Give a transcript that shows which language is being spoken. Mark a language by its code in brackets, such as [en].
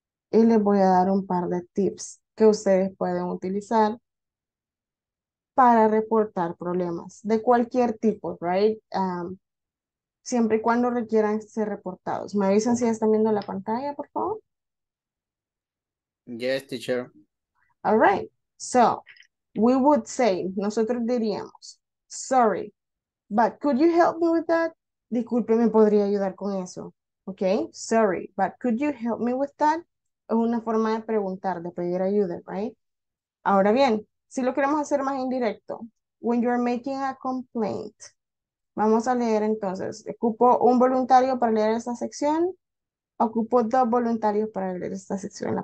[es] Y les voy a dar un par de tips que ustedes pueden utilizar para reportar problemas de cualquier tipo, [en] right? [es] Siempre y cuando requieran ser reportados. ¿Me avisan si están viendo la pantalla, por favor? [en] Yes, teacher. All right. So, we would say, [es] nosotros diríamos, [en] sorry, but could you help me with that? [es] Disculpe, ¿me podría ayudar con eso? [en] Okay? Sorry, but could you help me with that? [es] Es una forma de preguntar, de pedir ayuda, [en] right? [es] Ahora bien, si lo queremos hacer más indirecto, [en] when you're making a complaint, [es] vamos a leer entonces, ocupo un voluntario para leer esta sección, ocupo dos voluntarios para leer esta sección.